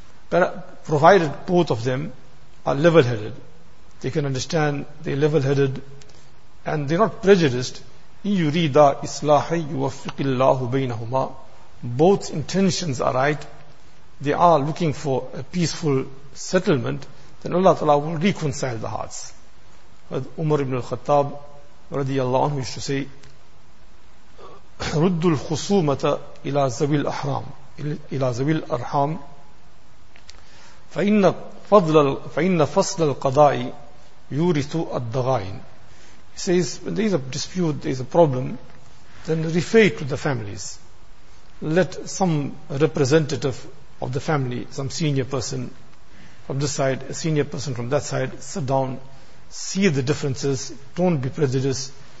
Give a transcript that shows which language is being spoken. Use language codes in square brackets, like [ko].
[en] But provided both of them are level-headed, they can understand, they're level-headed, and they're not prejudiced. [ar] إِنْ يُرِيدَا إِصْلَاحِ يُوَفِّقِ اللَّهُ بَيْنَهُمَا. [en] Both intentions are right. They are looking for a peaceful settlement. Then Allah Ta'ala will reconcile the hearts. But Umar ibn al-Khattab radiyallahu anhu used to say, [ar] رُدُّ الْخُصُومَةَ إِلَى ذَوِي الْأَحْرَامِ إِلَى ذَوِي الْأَرْحَامِ فَإِنَّ فَصْلَ الْقَضَاءِ يُورِثُ الدَّغَائِنِ. [en] He says, when there is a dispute, there is a problem, then refer it to the families. Let some representative of the family, some senior person from this side, a senior person from that side, sit down, see the differences, don't be prejudiced.